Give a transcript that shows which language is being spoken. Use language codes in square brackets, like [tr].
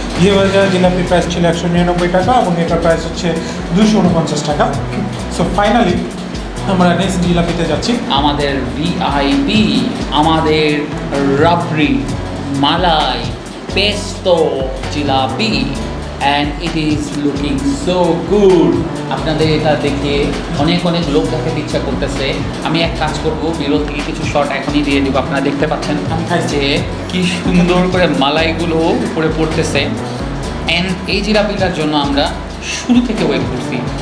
[bn] ঘিয়ে ভাজা জিলাপির প্রাইস ছিল 199 টাকা এবং এটার প্রাইস হচ্ছে 249 টাকা। সো ফাইনালি আমরা নেক্সট জিলাপিতে যাচ্ছি, আমাদের VIP, আমাদের রাবড়ি মালাই pesto jalebi. [en] and it is looking so good. [bn] আপনাদের এটা দেখে অনেক অনেক লোক দেখাতে ইচ্ছা করতেছে. আমি এক কাজ করব, বিরল থেকে কিছু শট এখনই দিয়ে দিব. আপনারা দেখতে পাচ্ছেন যে কি সুন্দর করে মালাইগুলো উপরে পড়তেছে. এন্ড এই জিলাপিটার জন্য আমরা শুরু থেকে ওয়েট করছি.